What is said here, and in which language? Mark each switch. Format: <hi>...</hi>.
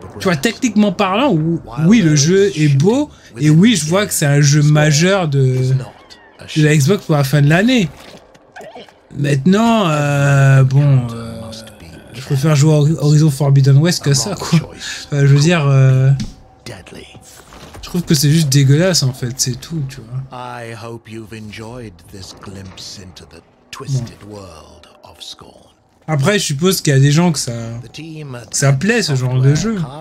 <fr>Tu vois, techniquement parlant, oui, le jeu est beau et oui, je vois que c'est un jeu majeur de la Xbox pour la fin de l'année. Maintenant, je préfère jouer Horizon Forbidden West que ça, quoi. Enfin, je veux dire. Je trouve que c'est juste dégueulasse, en fait, c'est tout, tu vois.</fr> <en>I hope you've enjoyed this glimpse into the twisted world of Scorn.</en> <fr>Après, je suppose qu'il y a des gens que ça plaît, ce genre de jeu.</fr>